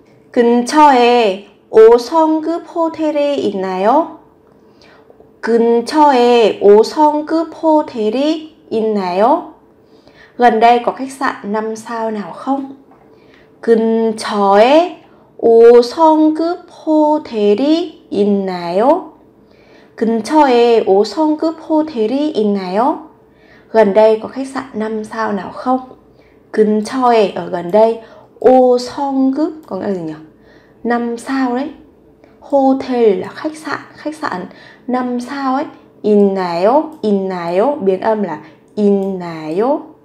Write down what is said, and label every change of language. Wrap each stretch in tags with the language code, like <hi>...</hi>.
<ko>근처에 5성급 호텔이 있나요? 근처에 5성급 호텔이 있나요?</ko> <vi>Gần đây có khách sạn 5 sao nào không?</vi> <ko>근처에 5성급 호텔이 있나요? 근처에 5성급 호텔이 있나요?</ko> <vi>Gần đây có khách sạn 5 sao nào không? 근처에 ở gần đây 5성급 có nghĩa là gì nhỉ? 5 sao đấy. Hotel là khách sạn 5 sao ấy.</vi> <ko>있나요? 있나요?</ko> <vi>Biến âm là 있나요?</vi>